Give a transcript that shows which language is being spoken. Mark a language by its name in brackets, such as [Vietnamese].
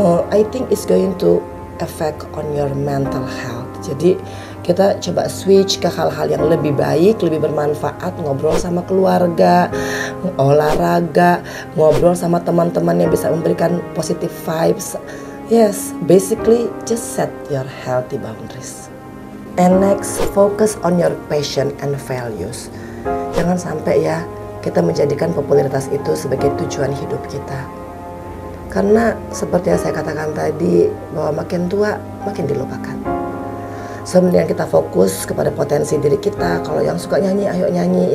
[English] I think it's going to effect on your mental health. [Indonesian] Jadi kita coba switch ke hal-hal yang lebih baik, lebih bermanfaat, ngobrol sama keluarga, olahraga, ngobrol sama teman-teman yang bisa memberikan positive vibes. [English] Yes, basically just set your healthy boundaries. And next, focus on your passion and values. [Indonesian] Jangan sampai ya kita menjadikan popularitas itu sebagai tujuan hidup kita. Karena seperti yang saya katakan tadi, bahwa makin tua makin dilupakan. So, mendingan kita fokus kepada potensi diri kita. Kalau yang suka nyanyi, ayo nyanyi.